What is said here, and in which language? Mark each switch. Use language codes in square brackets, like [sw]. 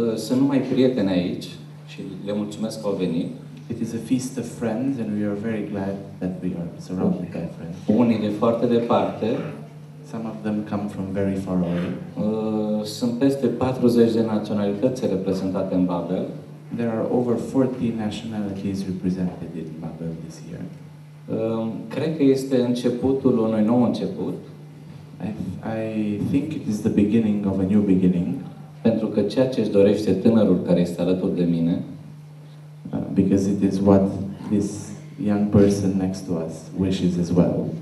[ro] Sunt numai prieteni aici și le mulțumesc că au venit. [en] It is a feast of friends and we are very glad that we are surrounded by friends. [ro] Unii de foarte departe. [en] Some of them come from very far away. [ro] Sunt peste 40 de naționalități reprezentate în Babel. [en] There are over 40 nationalities represented in Babel this year. [ro] Cred că este începutul unui nou început. [en] I think it is the beginning of a new beginning. [ro] Pentru că ceea ce își dorește tânărul care este alături de mine, [en] because it is what this young person next to us wishes as well,